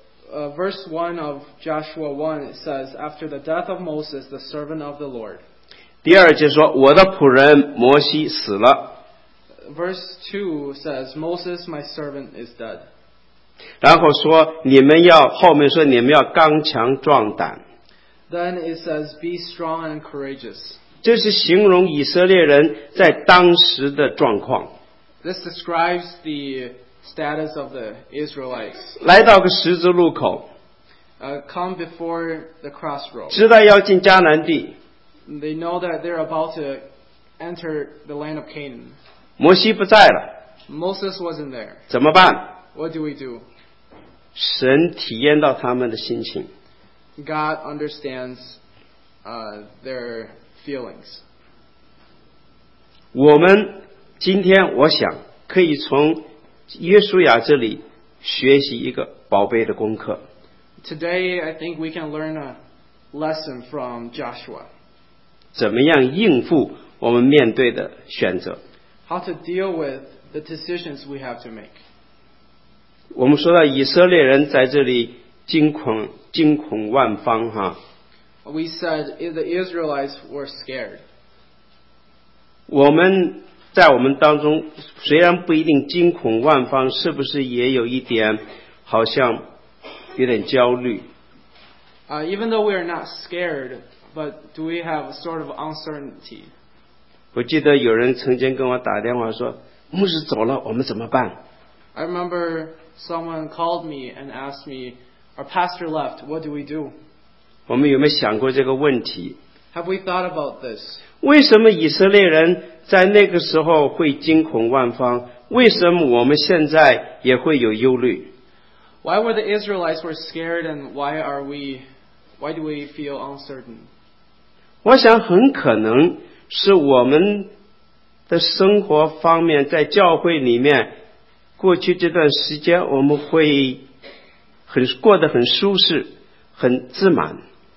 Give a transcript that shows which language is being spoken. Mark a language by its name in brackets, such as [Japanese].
[English] Verse 1 of Joshua 1 says, after the death of Moses, the servant of the Lord. [Chinese] 第二节说，我的仆人摩西死了。 [English] Verse 2 says, Moses, my servant, is dead. [Chinese] 然后说，你们要，后面说你们要刚强壮胆。 [English] Then it says, be strong and courageous. [Chinese] 这是形容以色列人在当时的状况。 [English] This describes the status of the Israelites. [Chinese] 来到个十字路口。 [English] Come before the crossroad. [Chinese] 知道要进迦南地。 [English] They know that they're about to enter the land of Canaan. [Chinese] 摩西不在了。 [English] Moses wasn't there. [Chinese] 怎么办？ [English] What do we do? [Chinese] 神体验到他们的心情。 [English] God understands, their feelings. [Chinese] 我们今天我想可以从约书亚这里学习一个宝贝的功课。 [English] Today, I think we can learn a lesson from Joshua. [Chinese] 怎么样应付我们面对的选择？ [English] How to deal with the decisions we have to make. [Chinese] 我们说到以色列人在这里惊恐万方哈。 [English] We said the Israelites were scared. [Chinese] 我们在我们当中虽然不一定惊恐万方，是不是也有一点好像有点焦虑？ [English] Even though we are not scared, but do we have a sort of uncertainty? [Chinese] 我记得有人曾经跟我打电话说，牧师走了我们怎么办？ [English] I remember someone called me and asked me, our pastor left, what do we do? [Chinese] 我们有没有想过这个问题？ [English] Have we thought about this? [Chinese] 为什么以色列人在那个时候会惊恐万方，为什么我们现在也会有忧虑？ [English] Why were the Israelites were scared and why do we feel uncertain? [Chinese] 我想很可能是我们的生活方面，在教会里面过去这段时间我们会很过得很舒适很自满。